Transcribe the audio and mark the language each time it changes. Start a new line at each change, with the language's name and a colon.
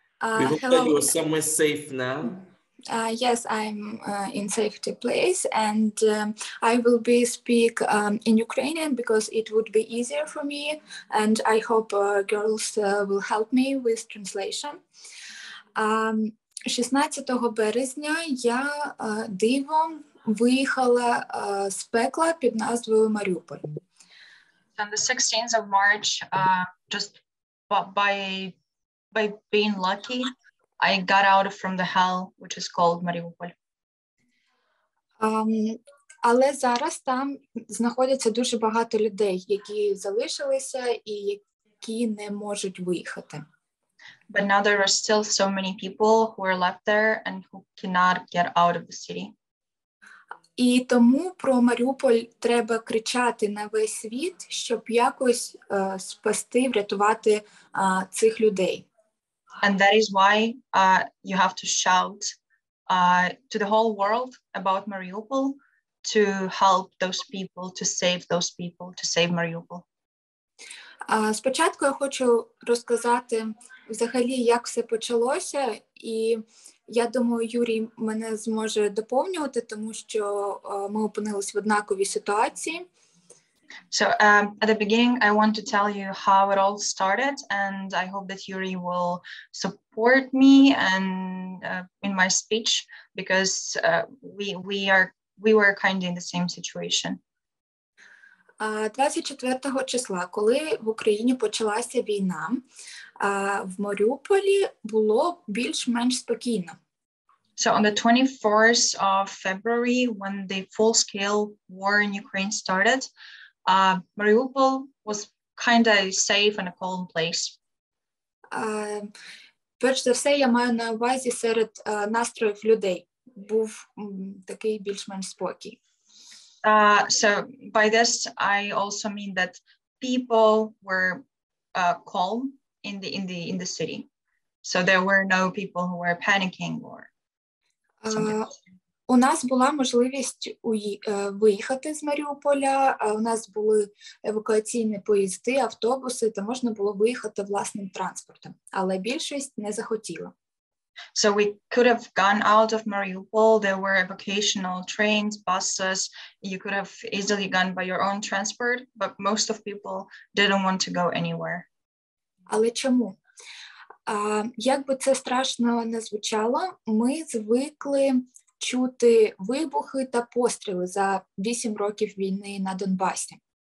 English: We hope that you are somewhere safe now. Yes, I'm in safety place, and I will be speak in Ukrainian because it would be easier for me, and I hope girls will help me with translation.
Ukrainian: 16 березня я дивом виїхала з пекла під назвою Маріуполь.
English: On the 16th of March, just by being lucky, I got out from the hell, which is called Mariupol.
Ukrainian: Але зараз там знаходяться дуже багато людей, які залишилися і які не можуть виїхати.
English: But now there are still so many people who are left there and who cannot get out of the city.
Ukrainian: І тому про Маріуполь треба кричати на весь світ, щоб якось спасти, врятувати цих людей.
English: And that is why you have to shout to the whole world about Mariupol, to help those people, to save those people, to save Mariupol.
Ukrainian: Спочатку я хочу розказати взагалі, як все почалося, і я думаю, Юрій мене зможе доповнювати, тому що ми опинились в однаковій ситуації.
English: So at the beginning, I want to tell you how it all started, and I hope that Yuri will support me and in my speech, because we were kind of in the same situation.
Ukrainian: 24 числа, коли в Україні почалася війна, в Маріуполі було більш-менш спокійно.
English: So on the 24th of February, when the full-scale war in Ukraine started, Mariupol was kind of safe and a calm place.
Ukrainian: Перш за все, я маю на увазі серед настроїв людей був такий більш-менш спокій.
English: So by this, I also mean that people were calm in the city. So there were no people who were panicking or
Ukrainian: У нас була можливість виїхати з Маріуполя, у нас були евакуаційні поїзди, автобуси, та можна було виїхати власним транспортом, але більшість не захотіла.
English: So we could have gone out of Mariupol, there were evacuational trains, buses, you could have easily gone by your own transport, but most of people didn't want to go anywhere.
Ukrainian: Але чому? Як би це страшно не звучало, ми звикли чути вибухи та постріли за 8 років війни на Донбасі.